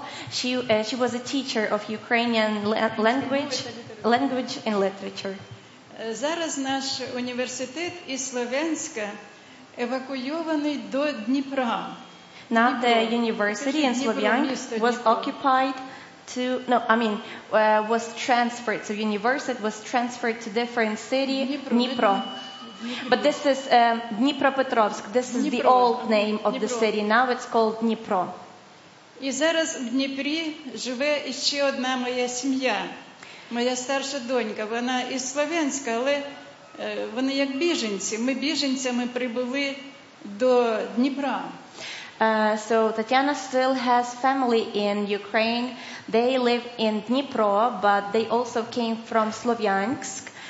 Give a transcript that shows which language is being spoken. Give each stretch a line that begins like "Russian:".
English: She was a teacher of Ukrainian language and literature.
Ukrainian: Зараз наш університет і Слов'янська евакуйований до Дніпра.
English: Now the university in Slovyansk was occupied to, no, I mean, was transferred. So university was transferred to different city, Dnipro. But this is Dnipropetrovsk. This is the old name of the city. Now it's called Dnipro.
Ukrainian: І зараз в Дніпрі живе ще одна моя сім'я. Моя старша донька, вона із Слов'янська, але вони як біженці. Ми біженцями прибули до Дніпра.
English: So Tatiana still has family in Ukraine. They live in Dnipro, but they also came from Slovyansk.